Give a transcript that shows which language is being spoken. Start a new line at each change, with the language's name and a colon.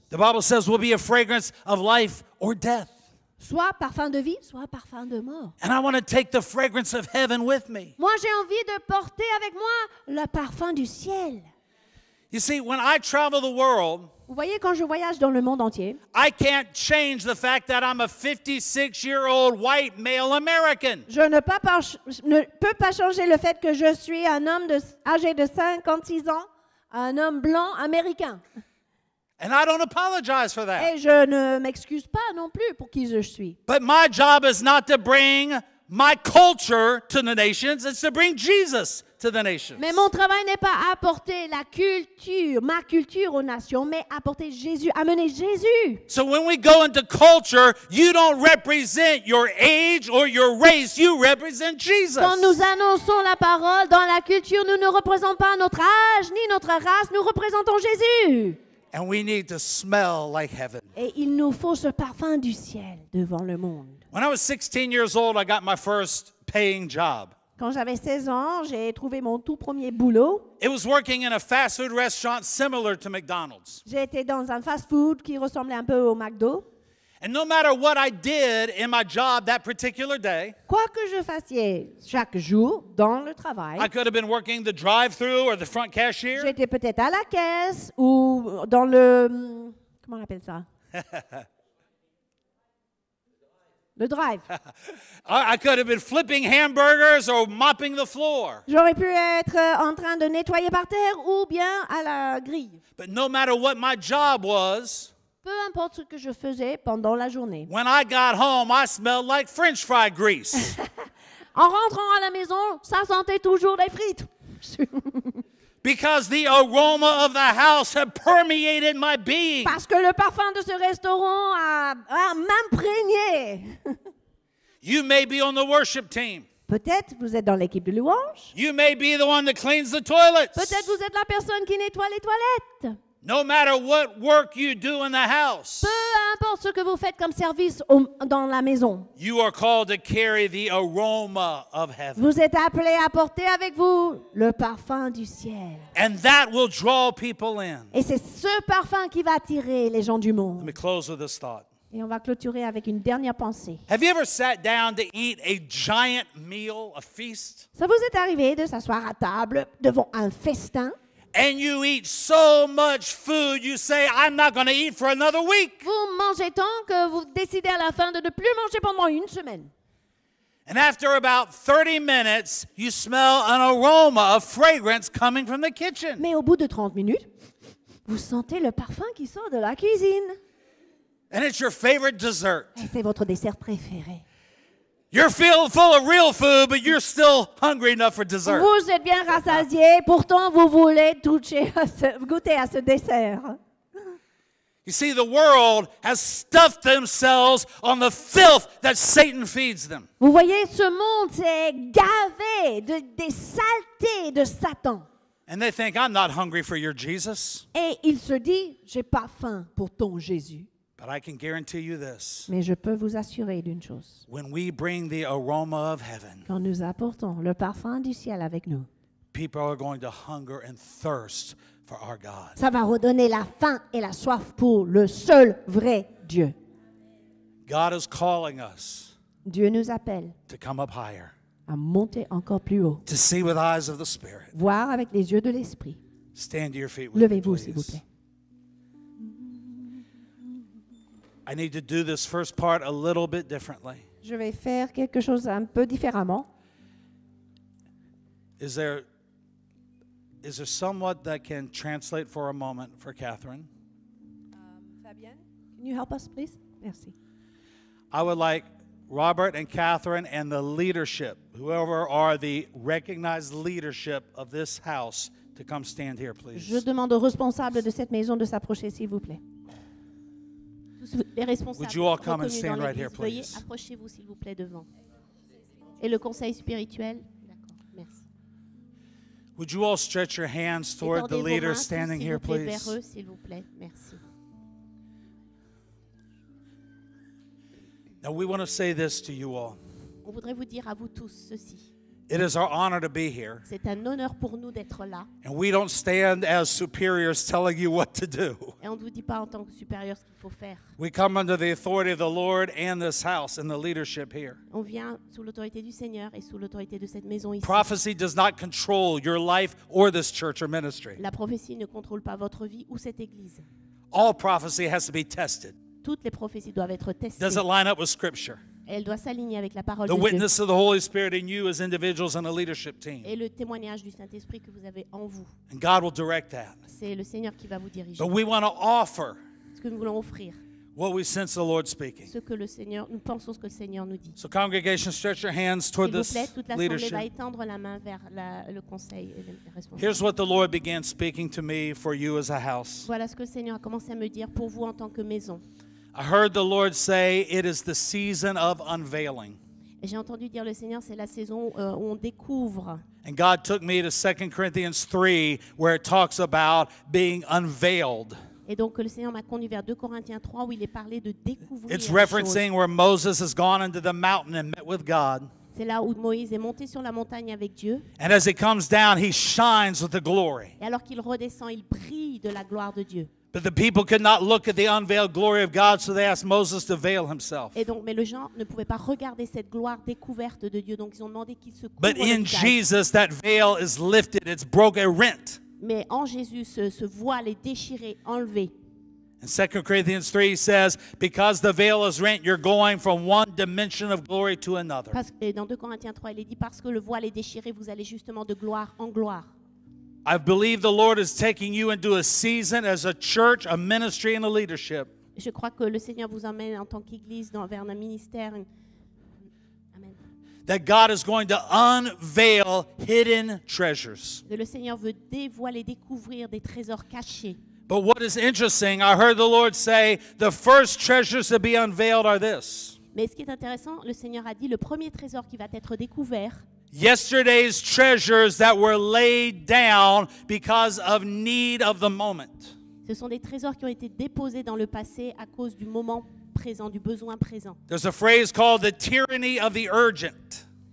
English: The Bible says we'll be a fragrance of life or death.
French: Soit parfum de vie, soit parfum de mort.
English: And I want to take the fragrance of heaven with me.
French: Moi, j'ai envie de porter avec moi le parfum du ciel.
English: You see, when I travel the world,
French: vous voyez, quand je voyage dans le monde entier,
English: I can't change the fact that I'm a 56-year-old white male American.
French: Je ne peux pas changer le fait que je suis un homme âgé de 56 ans, un homme blanc américain.
English: And I don't apologize for that.
French: Et je ne m'excuse pas non plus pour qui je suis.
English: But my job is not to bring my culture to the nations, it's to bring Jesus. to the nations.
French: Mais mon travail n'est pas apporter la culture, ma culture aux nations, mais apporter Jésus, amener Jésus.
English: So when we go into culture, you don't represent your age or your race, you represent Jesus.
French: Quand nous annonçons la parole dans la culture, nous ne représentons pas notre âge ni notre race, nous représentons Jésus.
English: And we need to smell like heaven.
French: Et il nous faut ce parfum du ciel devant le monde.
English: When I was 16 years old, I got my first paying job.
French: Quand j'avais 16 ans, j'ai trouvé mon tout premier boulot.
English: It was working in a fast food restaurant similar to McDonald's.
French: J'étais dans un fast food qui ressemblait un peu au McDo.
English: And no matter what I did in my job that particular day,
French: quoi que je fassais chaque jour dans le travail,
English: I could have been working the drive-through or the front cashier.
French: J'étais peut-être à la caisse ou dans le, comment on appelle ça? Le drive.
English: I could have been flipping hamburgers or mopping the floor.
French: J'aurais pu être en train de nettoyer par terre ou bien à la grille.
English: But no matter what my job was,
French: peu importe ce que je faisais pendant la journée.
English: When I got home, I smelled like French fry grease.
French: En rentrant à la maison, ça sentait toujours les frites.
English: Because the aroma of the house had permeated my being.
French: Parce que le parfum de ce restaurant a m'imprégné.
English: You may be on the worship team.
French: Peut-être vous êtes dans l'équipe de louange.
English: You may be the one that cleans the toilets.
French: Peut-être vous êtes la personne qui nettoie les toilettes.
English: No matter what work you do in the house.
French: Peu importe ce que vous faites comme service dans la maison.
English: You are called to carry the aroma of heaven.
French: Vous êtes appelé à porter avec vous le parfum du ciel.
English: And that will draw people in.
French: Et c'est ce parfum qui va attirer les gens du monde.
English: Let me close with this thought.
French: Et on va clôturer avec une dernière pensée.
English: Have you ever sat down to eat a giant meal, a feast?
French: Ça vous est arrivé de s'asseoir à table devant un festin?
English: And you eat so much food, you say, I'm not going to eat for another week.
French: Vous mangez tant que vous décidez à la fin de ne plus manger pendant une semaine.
English: And after about 30 minutes, you smell an aroma of fragrance coming from the kitchen.
French: Mais au bout de 30 minutes, vous sentez le parfum qui sort de la cuisine.
English: And it's your favorite dessert.
French: Et c'est votre dessert préféré.
English: You're feeling full of real food, but you're still hungry enough for dessert.
French: Vous êtes bien rassasié, pourtant vous voulez toucher à ce, goûter à ce dessert.
English: You see, the world has stuffed themselves on the filth that Satan feeds them.
French: Vous voyez, ce monde s'est gavé de des saletés de Satan.
English: And they think, I'm not hungry for your Jesus.
French: Et il se dit, j'ai pas faim pour ton Jésus.
English: But I can guarantee you this.
French: Mais je peux vous assurer d'une chose.
English: When we bring the aroma of heaven,
French: quand nous apportons le parfum du ciel avec nous,
English: people are going to hunger and thirst for our God.
French: Ça va redonner la faim et la soif pour le seul vrai Dieu.
English: God is calling us.
French: Dieu nous appelle.
English: To come up higher.
French: À monter encore plus haut.
English: To see with eyes of the Spirit.
French: Voir avec les yeux de l'esprit.
English: Stand to your feet.
French: Levez-vous, s'il vous plaît.
English: I need to do this first part a little bit differently.
French: Je vais faire quelque chose un peu différemment.
English: Is there someone that can translate for a moment for Kathryn? Fabienne, can you help us, please? Merci. I would like Robert and Kathryn and the leadership, whoever are the recognized leadership of this house, to come stand here, please.
French: Je demande aux responsables de cette maison de s'approcher, s'il vous plaît.
English: Would you all come and stand right here, please?
French: Veuillez approchez-vous s'il vous plaît devant. Et le conseil spirituel. D'accord. Merci.
English: Would you all stretch your hands toward the leader standing here, please?
French: Vers eux, s'il vous plaît. Merci.
English: Now we want to say this to you all.
French: On voudrait vous dire à vous tous ceci.
English: It is our honor to be here.
French: C'est un honneur pour nous d'être là.
English: And we don't stand as superiors telling you what to do.
French: Et on ne vous dit pas en tant que supérieurs ce qu'il faut faire.
English: We come under the authority of the Lord and this house and the leadership here.
French: On vient sous l'autorité du Seigneur et sous l'autorité de cette maison ici.
English: Prophecy does not control your life or this church or ministry.
French: La prophétie ne contrôle pas votre vie ou cette église.
English: All prophecy has to be tested.
French: Toutes les prophéties doivent être testées.
English: Does it line up with Scripture?
French: Elle doit s'aligner avec la parole
English: the
French: de Dieu.
English: The witness of the Holy Spirit in you as individuals and a leadership team.
French: Et le témoignage du Saint-Esprit que vous avez en vous.
English: And God will direct that.
French: C'est le Seigneur qui va vous diriger.
English: But we want to offer.
French: Ce que nous voulons offrir.
English: what we sense the Lord speaking.
French: Ce que le Seigneur, nous pensons ce que le Seigneur nous dit.
English: So congregation, stretch your hands toward
French: s'il vous plaît,
English: this leadership.
French: Toute l'assemblée va étendre la main vers la, le conseil et le responsable.
English: Here's what the Lord began speaking to me for you as a house.
French: Voilà ce que le Seigneur a commencé à me dire pour vous en tant que maison.
English: I heard the Lord say, "It is the season of unveiling."
French: J'ai entendu dire le Seigneur, c'est la saison où on découvre.
English: And God took me to 2 Corinthians 3, where it talks about being unveiled.
French: Et donc le Seigneur m'a conduit vers 2 Corinthiens 3 où il est parlé de découvrir.
English: It's referencing where Moses has gone into the mountain and met with God.
French: C'est là où Moïse est monté sur la montagne avec Dieu.
English: And as he comes down, he shines with the glory.
French: Et alors qu'il redescend, il brille de la gloire de Dieu.
English: But the people could not look at the unveiled glory of God, so they asked Moses to veil himself.
French: Et donc, mais le gens ne pouvaient pas regarder cette gloire découverte de Dieu, donc ils ont demandé qu'il se couvre.
English: But in Jesus, that veil is lifted; it's broken and rent.
French: Mais en Jésus, ce voile est déchiré, enlevé.
English: And 2 Corinthians 3 says, because the veil is rent, you're going from one dimension of glory to another.
French: Et dans 2 Corinthiens 3, il est dit parce que le voile est déchiré, vous allez justement de gloire en gloire.
English: I believe the Lord is taking you into a season as a church, a ministry, and a leadership.
French: Je crois que le Seigneur vous emmène en tant qu'église dans vers un ministère.
English: Amen. That God is going to unveil hidden treasures.
French: Que le Seigneur veut dévoiler, découvrir des trésors cachés.
English: But what is interesting, I heard the Lord say, the first treasures to be unveiled are this.
French: Mais ce qui est intéressant, le Seigneur a dit, le premier trésor qui va être découvert.
English: Yesterday's treasures that were laid down because of need of the moment.
French: Ce sont des trésors qui ont été déposés dans le passé à cause du moment présent, du besoin présent.
English: There's a phrase called the tyranny of the urgent.